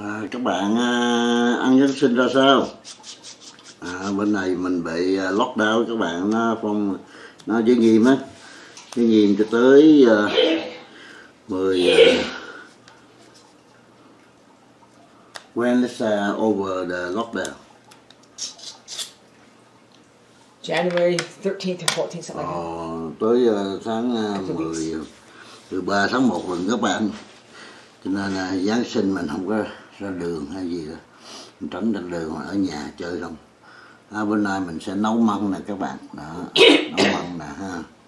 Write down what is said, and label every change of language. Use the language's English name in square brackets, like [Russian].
[Vietnamese] Các bạn ăn Giáng sinh ra sao? Bên này mình bị lockdown, các bạn nó giới nghiêm á. Giới nghiêm cho tới 10 [English] when is over the lockdown? January 13th or 14th, something like that. [Vietnamese] Tới tháng 10, từ 3 tháng 1 rồi các bạn. Cho nên là Giáng sinh mình không có ra đường hay gì đó. Mình tránh ra đường mà ở nhà chơi không. Bữa nay mình sẽ nấu măng nè các bạn. Đó, nấu măng nè ha.